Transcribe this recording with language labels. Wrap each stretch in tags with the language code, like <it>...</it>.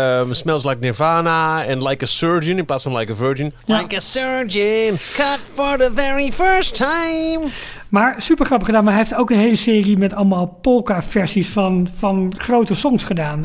<nl>Smells Like Nirvana en Like a Surgeon in plaats van Like a Virgin. Ja.</nl> <en>Like a Surgeon, cut for the very first time.</en> <nl>Maar super grappig gedaan, maar hij heeft ook een hele serie met allemaal polka-versies van grote songs gedaan.</nl>